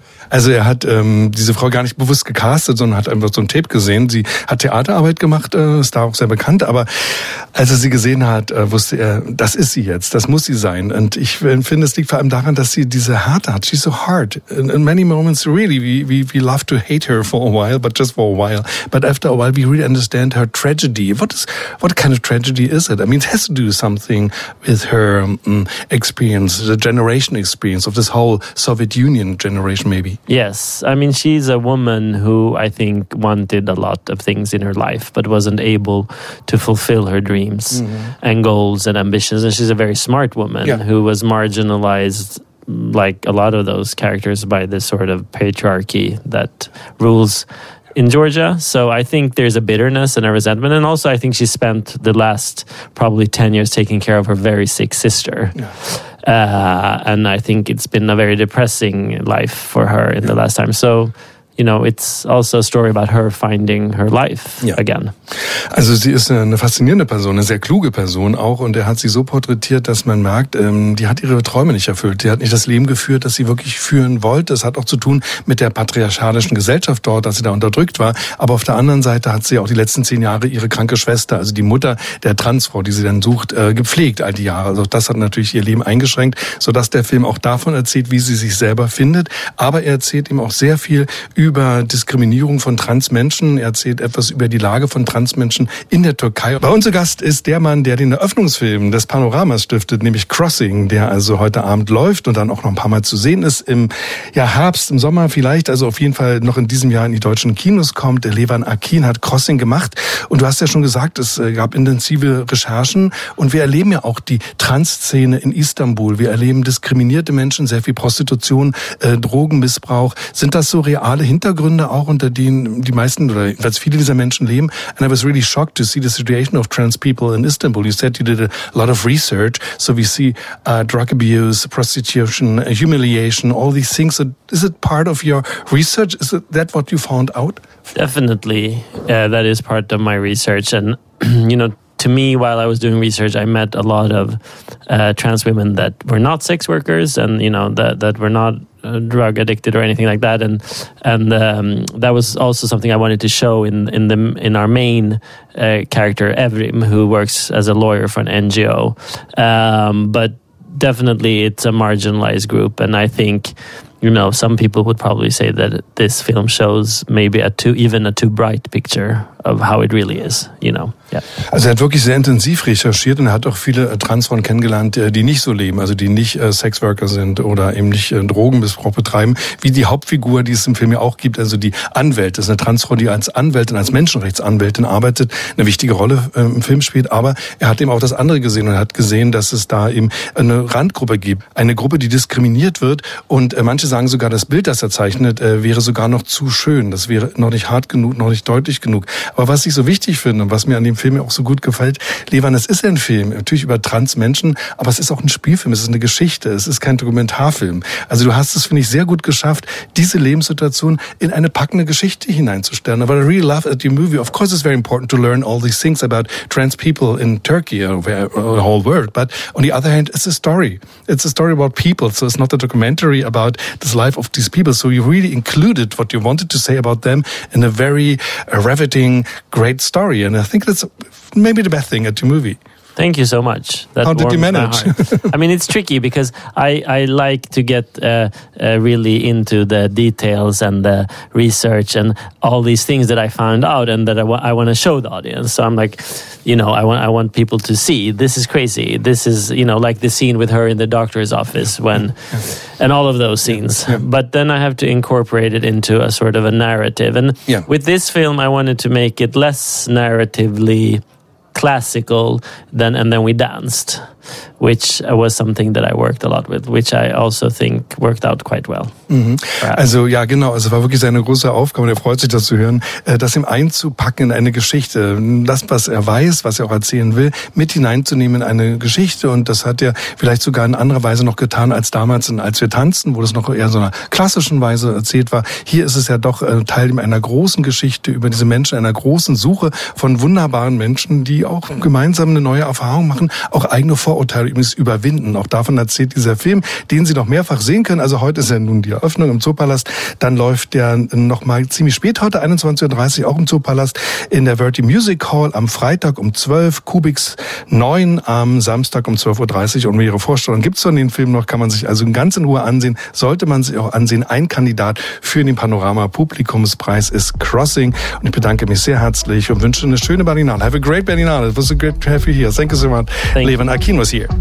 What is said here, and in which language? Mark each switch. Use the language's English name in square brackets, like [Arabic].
[German] Also er hat diese Frau gar nicht bewusst gecastet, sondern hat einfach so ein Tape gesehen. Sie hat Theaterarbeit gemacht, ist da auch sehr bekannt. Aber als er sie gesehen hat, wusste er, das ist sie jetzt, das muss sie sein. Und ich finde, es liegt vor allem daran, dass sie diese Härte hat. [English] She's so hard. In many moments, really, we love to hate her for a while, but just for a while. But after a while, we really understand her tragedy. What kind of tragedy is it? I mean, it has to do something with her experience, the generation experience of this whole Soviet Union generation, maybe. Yes, I mean, she's a woman who I think wanted a lot of things in her life, but wasn't able to fulfill her dreams and goals and ambitions. And she's a very smart woman who was marginalized, like a lot of those characters, by this sort of patriarchy that rules in Georgia. So I think there's a bitterness and a resentment. And also I think she spent the last probably 10 years taking care of her very sick sister. Yeah. And I think it's been a very depressing life for her in the last time. So, you know, it's also a story about her finding her life again. [German] Also sie ist eine faszinierende Person, eine sehr kluge Person auch. Und er hat sie so porträtiert, dass man merkt, die hat ihre Träume nicht erfüllt. Die hat nicht das Leben geführt, das sie wirklich führen wollte. Es hat auch zu tun mit der patriarchalischen Gesellschaft dort, dass sie da unterdrückt war. Aber auf der anderen Seite hat sie auch die letzten 10 Jahre ihre kranke Schwester, also die Mutter der Transfrau, die sie dann sucht, gepflegt all die Jahre. Also das hat natürlich ihr Leben eingeschränkt, sodass der Film auch davon erzählt, wie sie sich selber findet. Aber er erzählt ihm auch sehr viel über Diskriminierung von Transmenschen. Er erzählt etwas über die Lage von Transmenschen in der Türkei. Bei uns zu Gast ist der Mann, der den Eröffnungsfilm des Panoramas stiftet, nämlich Crossing, der also heute Abend läuft und dann auch noch ein paar Mal zu sehen ist. Im Herbst, im Sommer vielleicht, also auf jeden Fall noch in diesem Jahr in die deutschen Kinos kommt. Levan Akin hat Crossing gemacht. Und du hast ja schon gesagt, es gab intensive Recherchen. Und wir erleben ja auch die Trans-Szene in Istanbul. Wir erleben diskriminierte Menschen, sehr viel Prostitution, Drogenmissbrauch. Sind das so reale Hintergründe auch, unter denen die meisten oder jedenfalls viele dieser Menschen leben? [English] And I was really shocked to see the situation of trans people in Istanbul. You said you did a lot of research. So we see drug abuse, prostitution, humiliation, all these things. So is it part of your research? Is that what you found out? Definitely. That is part of my research. And, you know, to me, while I was doing research, I met a lot of trans women that were not sex workers and, you know, that were not drug addicted or anything like that, and that was also something I wanted to show in our main character Evrim, who works as a lawyer for an NGO. But definitely, it's a marginalized group, and I think, you know, some people would probably say that this film shows maybe a too bright picture of how it really is, you know. Yeah. [German] Also er hat wirklich sehr intensiv recherchiert und er hat auch viele Transfrauen kennengelernt, die nicht so leben, also die nicht Sexworker sind oder eben nicht Drogenmissbrauch betreiben, wie die Hauptfigur, die es im Film ja auch gibt, also die Anwältin. Das ist eine Transfrau, die als Anwältin, als Menschenrechtsanwältin arbeitet, eine wichtige Rolle im Film spielt. Aber er hat eben auch das andere gesehen und er hat gesehen, dass es da eben eine Randgruppe gibt, eine Gruppe, die diskriminiert wird. Und manche sagen sogar, das Bild, das er zeichnet, wäre sogar noch zu schön. Das wäre noch nicht hart genug, noch nicht deutlich genug. Aber was ich so wichtig finde und was mir an dem Film auch so gut gefällt, Levan, es ist ein Film, natürlich über Transmenschen, aber es ist auch ein Spielfilm, es ist eine Geschichte, es ist kein Dokumentarfilm. Also du hast es, finde ich, sehr gut geschafft, diese Lebenssituation in eine packende Geschichte hineinzustellen. [English] But I really love that the movie, of course it's very important to learn all these things about trans people in Turkey or the whole world, but on the other hand, it's a story. It's a story about people, so it's not a documentary about the life of these people. So you really included what you wanted to say about them in a very riveting, great story, and I think that's maybe the best thing at the movie. Thank you so much. That How did you manage? I mean, it's tricky because I like to get really into the details and the research and all these things that I found out and that I want to show the audience. So I'm like, you know, I want people to see this is crazy. This is, you know, like the scene with her in the doctor's office and all of those scenes. Yeah. But then I have to incorporate it into a sort of a narrative. And with this film, I wanted to make it less narratively classical than And Then We Danced, which was something that I worked a lot with, which I also think worked out quite well. Mhm. [German] Also ja, genau, also war wirklich seine große Aufgabe, und er freut sich, das zu hören, das ihm einzupacken in eine Geschichte, das, was er weiß, was er auch erzählen will, mit hineinzunehmen in eine Geschichte. Und das hat er vielleicht sogar in anderer Weise noch getan als damals in Als wir tanzten, wo das noch eher so einer klassischen Weise erzählt war. Hier ist es ja doch Teil einer großen Geschichte über diese Menschen, einer großen Suche von wunderbaren Menschen, die auch gemeinsam eine neue Erfahrung machen, auch eigene Vorurteile übrigens überwinden. Auch davon erzählt dieser Film, den Sie noch mehrfach sehen können. Also heute ist ja nun die Eröffnung im Zoopalast. Dann läuft der nochmal ziemlich spät heute, 21.30 Uhr, auch im Zoopalast, in der Verti Music Hall am Freitag um 12, Kubiks 9 am Samstag um 12.30 Uhr. Und Ihre Vorstellung gibt es von den Film noch, kann man sich also ganz in Ruhe ansehen. Sollte man sich auch ansehen. Ein Kandidat für den Panorama-Publikumspreis ist Crossing. Und ich bedanke mich sehr herzlich und wünsche eine schöne Berlinale. [English] Have a great Berlinale. It was a great to have you here. Thank you so much. Levan Akin was here.